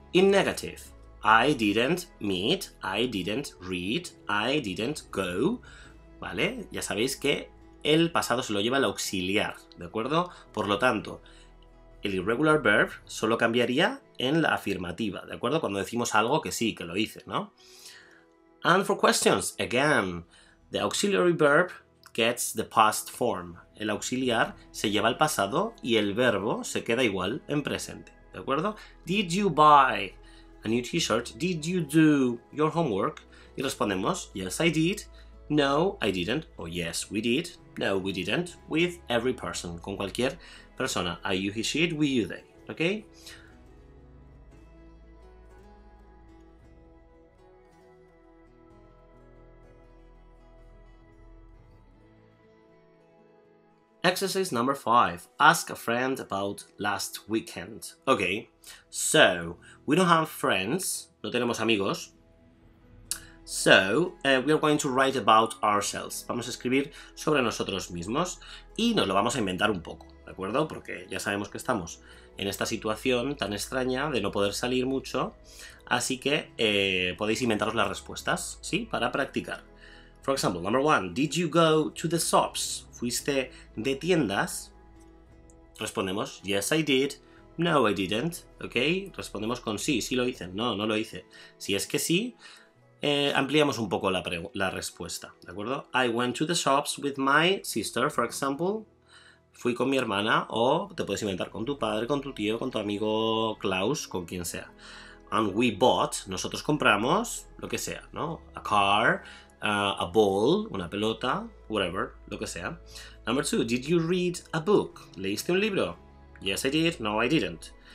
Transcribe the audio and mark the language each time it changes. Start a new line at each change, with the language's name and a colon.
English: In negative, I didn't meet, I didn't read, I didn't go. ¿Vale?
Spanish: Ya sabéis que el pasado se lo lleva el auxiliar, ¿de acuerdo? Por lo tanto, el irregular verb solo cambiaría en la afirmativa, ¿de acuerdo? Cuando decimos algo que sí, que lo hice, ¿no?
English: And for questions, again, the auxiliary verb gets the past form.
Spanish: El auxiliar se lleva al pasado y el verbo se queda igual en presente, ¿de acuerdo?
English: Did you buy a new t-shirt? Did you do your homework? Y respondemos, yes, I did. No, I didn't. Or yes, we did. No, we didn't. With every person. Con cualquier persona. I, you, he, she, it, we, you, they. Okay? Exercise number 5. Ask a friend about last weekend. Okay. So, we don't have friends. No tenemos amigos. So, we are going to write about ourselves.
Spanish: Vamos a escribir sobre nosotros mismos y nos lo vamos a inventar un poco, ¿de acuerdo? Porque ya sabemos que estamos en esta situación tan extraña de no poder salir mucho, así que podéis inventaros las respuestas, ¿sí? Para practicar.
English: For example, number one, did you go to the shops? ¿Fuiste de tiendas? Respondemos, yes, I did. No, I didn't. ¿Ok?
Spanish: Respondemos con sí, sí lo hice. No, no lo hice. Si es que sí, ampliamos un poco la respuesta, ¿de acuerdo?
English: I went to the shops with my sister, for example.
Spanish: Fui con mi hermana, o te puedes inventar con tu padre, con tu tío, con tu amigo Klaus, con quien sea. And we bought, nosotros compramos, lo que sea, ¿no?
English: A car, a ball, una pelota, whatever, lo que sea. Number two, did you read a book? ¿Leíste un libro? Yes, I did. No, I didn't.